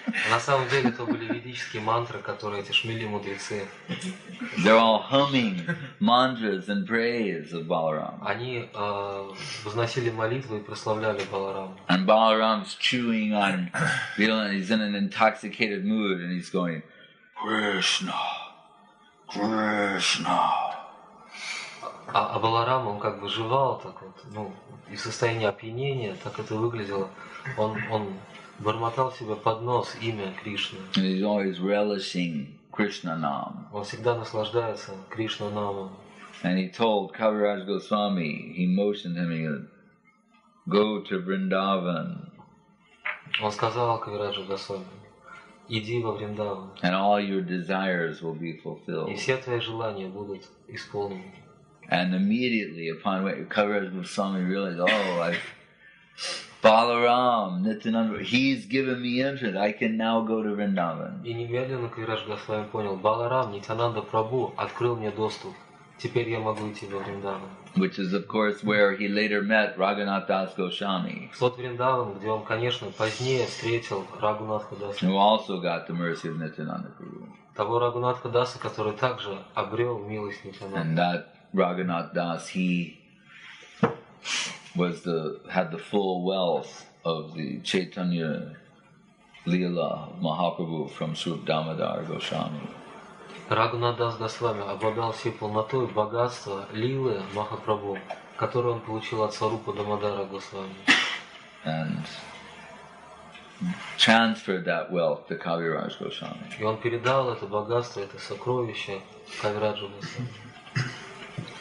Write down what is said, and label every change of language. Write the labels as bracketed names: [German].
[Russian] На самом деле это были ведические мантры, которые эти шмели мудрецы. [English] They're all humming mantras and praise of Balaram. [Russian] Они возносили молитвы и прославляли Баларама. [English] And Balaram's chewing on, he's in an intoxicated mood and he's going, Krishna, Krishna. [Russian] А Баларам, он как бы жевал так вот, ну, и в состоянии опьянения, так это выглядело. Он бормотал себе под нос имя Кришны. [English] He's always relishing Krishna Nam. [Russian] Он всегда наслаждается Кришна Намом. [English] And he told Kaviraj Goswami, he motioned him, go to Vrindavan. [Russian] Он сказал Кавираджу Госвами, иди во Вриндаван. [English] And all your desires will be fulfilled. [Russian] И все твои желания будут исполнены. [English] And immediately upon what Kaviraj Goswami realized, oh, I've Balaram, Nityananda, he's given me interest. I can now go to Vrindavan. [Russian] И немедленно Кавираджа Госвами понял, Баларам, Нитянанда Прабу открыл мне доступ. Теперь я могу идти во Вриндаван. [English] Which is, of course, where he later met Raghunath Das Goswami. [Russian] Тот Вриндаван, где он, конечно, позднее встретил Рагунатха Даса. [English] Who also got the mercy of Nityananda Prabhu. [Russian] Того Рагунатха Даса, который также обрел милость Нитянанда. [English] And that Raghunath Das, he was the had the full wealth of the Chaitanya Lila Mahaprabhu from Srupa Damodara Goswami. [Russian] Рагунат Дас Госвами обладал всей полнотой богатства Лилы Махапрабху, которую он получил от Сварупы Дамодара Госвами. [English] And transferred that wealth to Kaviraj Goswami. [Russian] И он передал это богатство, это сокровище Кавираджу Госвами.